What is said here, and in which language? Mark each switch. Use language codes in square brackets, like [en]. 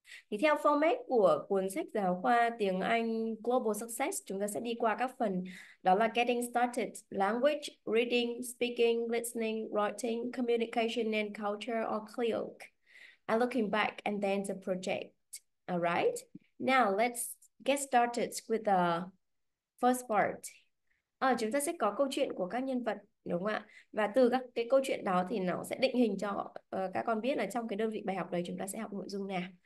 [vi] Thì theo format của cuốn sách giáo khoa tiếng Anh Global Success, chúng ta sẽ đi qua các phần đó là [en] getting started, language, reading, speaking, listening, writing, communication and culture or CLEOC, and looking back and then the project. All right? Now let's get started with the first part. [vi] Chúng ta sẽ có câu chuyện của các nhân vật, đúng không ạ? Và từ các cái câu chuyện đó thì nó sẽ định hình cho các con biết là trong cái đơn vị bài học đấy chúng ta sẽ học nội dung nào.